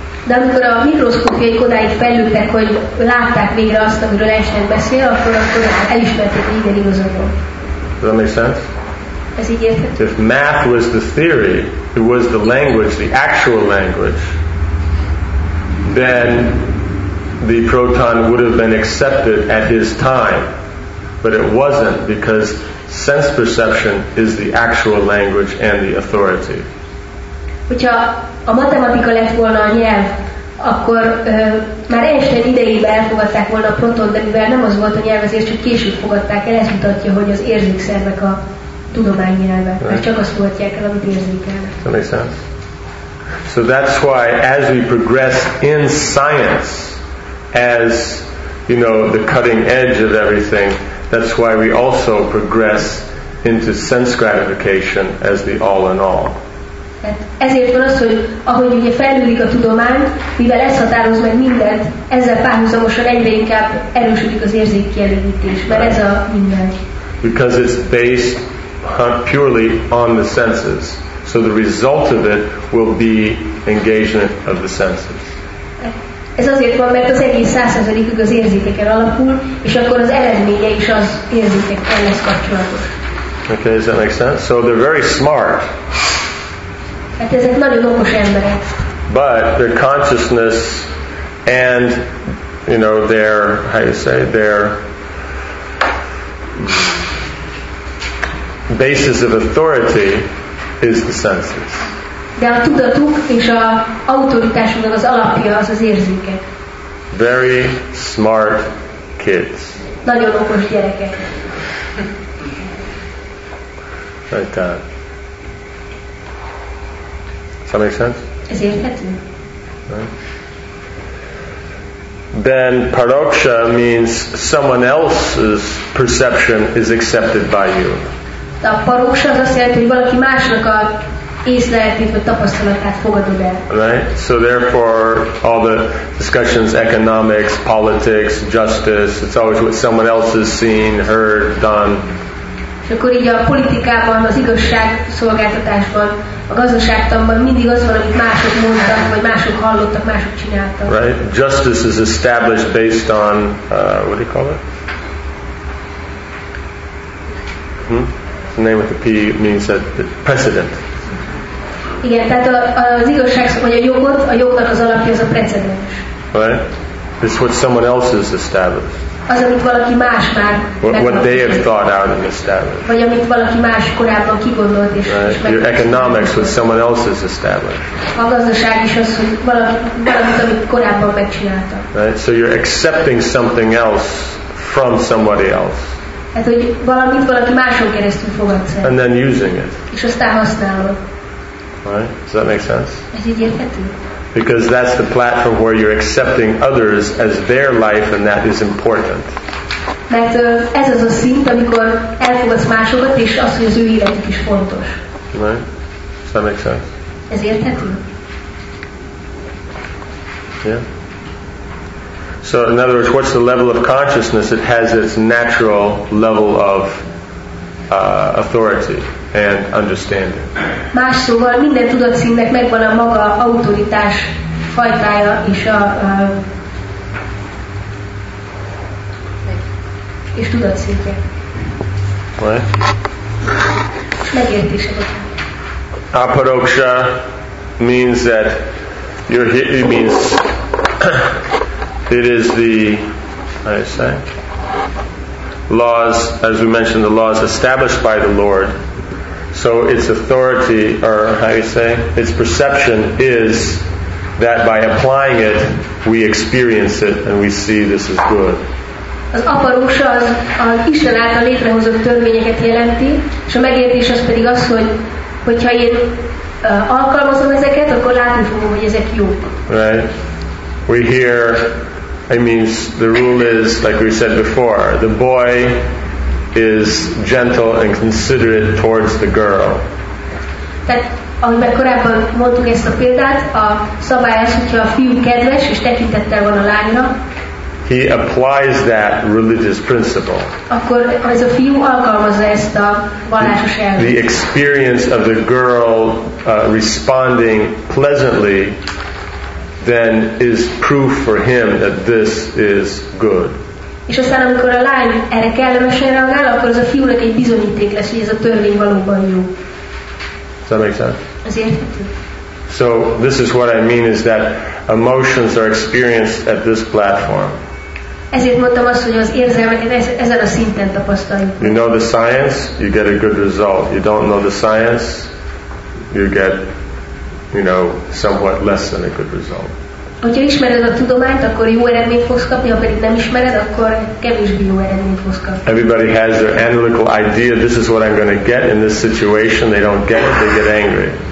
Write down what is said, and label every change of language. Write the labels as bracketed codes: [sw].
[hu] De amikor a mikroszkópiaik odáig fejlődtek, hogy látták végre azt, amiről Einstein beszél, akkor elismerték, hogy igen, igazából. [en] Does that make sense? [hu] Ez így érthető. [en] If math was the theory, it was the language, the actual language, then the proton would have been accepted at his time. But it wasn't, because sense perception is the actual language and the authority. [hu] Hogyha a matematika lett volna a nyelv, akkor már Einstein idejében elfogadták volna a proton, de mivel nem az volt a nyelv, ezért csak később fogadták el, ez mutatja, hogy az érzékszervek a tudomány nyelve. [en] Right. [hu] Mert csak azt fogadják el, amit érzékelnek. [en] That makes sense. So that's why as we progress in science, as you know, the cutting edge of everything, that's why we also progress into sense gratification as the all in all. [hu] Ezért van az, hogy ahogy ugye fejlődik a tudomány, mivel ez határoz meg mindent, ezzel párhuzamosan egyre inkább erősödik az érzékkielégítés, mert ez a minden. [en] Because it's based purely on the senses. So the result of it will be engagement of the senses. [hu] Ez azért van, mert az egész 100%-ig az érzékeken alapul, és akkor az eredménye is az érzékekkel lesz kapcsolatos. [en] Okay, does that make sense? So they're very smart. [hu] Hát ezek nagyon okos emberek. [en] But their consciousness and, you know, their, how you say, their basis of authority is the senses. [hu] De a tudatuk és a autoritásunknak az alapja az az érzékek. [en] Very smart kids. [hu] Nagyon okos gyerekek. [en] Like that. Does that make sense? [hu] Ez érthető? [en] Then paroksha means someone else's perception is accepted by you. [hu] De a paroksha az azt jelenti, hogy valaki másnak a észlelhetét vagy tapasztalatát fogadod el. [en] Right? So therefore all the discussions, economics, politics, justice, it's always what someone else has seen, heard, done. [hu] És akkor így a politikában, az igazságszolgáltatásban, a gazdaságtanban mindig az van, amit mások mondtak, vagy mások hallottak, mások csináltak. [en] Right? Justice is established based on, what do you call it? The name with the P means that precedent. [hu] Igen, tehát az igazság, vagy a jogot, a jognak az alapja az a precedens. [en] Right? It's what someone else has established. [hu] Az, amit valaki más már [en] what they have thought out and established. [hu] Vagy amit valaki más korábban kigondolt és [en] right. Your economics what someone else has established. [hu] A gazdaság is az, hogy valamit, amit korábban megcsinálta. [en] Right. So you're accepting something else from somebody else. [hu] Hát, hogy valamit valaki máson keresztül fogadsz el. [en] And then using it. [hu] És aztán használod. [en] Right. Does that make sense? [hu] Ez így érthető? [en] Because that's the platform where you're accepting others as their life, and that is important. [hu] Mert ez az a szint, amikor elfogadsz másokat, és az, hogy az ő életük is fontos. [en] Right? Does that make sense? [hu] Ez érthető? [en] Yeah. So in other words, what's the level of consciousness? It has its natural level of authority and understanding. [hu] Más szóval minden tudatszintnek megvan a maga autoritás fajtája és a és tudatszintje. [en] What? [hu] Megértése. [en] Aparoksha means that you're here, it means it is the how do you say laws, as we mentioned, the laws established by the Lord. So its authority, or how you say, its perception is that by applying it, we experience it and we see this is good. [hu] Az aparósa az Isten által létrehozott törvényeket jelenti, és a megértés az pedig az, hogy hogyha én alkalmazom ezeket, akkor látni fogom, hogy ezek jók. [en] Right. We hear, it means the rule is, like we said before, the boy is gentle and considerate towards the girl. [hu] Tehát, ahogy már korábban mondtuk ezt a példát, a szabály az, hogyha a fiú kedves és tekintettel van a lányra, [en] he applies that religious principle. [hu] Akkor ez a fiú alkalmazza ezt a vallásos elvet. [en] The experience of the girl responding pleasantly then is proof for him that this is good. [hu] És aztán, amikor a lány erre kellemesen reagál, akkor az a fiúnak egy bizonyíték lesz, hogy ez a törvény valóban jó. [en] Does that make sense? [hu] Ez érthető. [en] So this is what I mean is that emotions are experienced at this platform. [hu] Ezért mondtam azt, hogy az érzelmeket ezen a szinten tapasztaljuk. [en] You know the science, you get a good result. You don't know the science, you get, you know, somewhat less than a good result. [hu] Hogyha ismered a tudományt, akkor jó eredményt fogsz kapni, ha pedig nem ismered, akkor kevésbé jó eredményt fogsz kapni. [en] Everybody has their analytical idea, this is what I'm going to get in this situation, they don't get it, they get angry.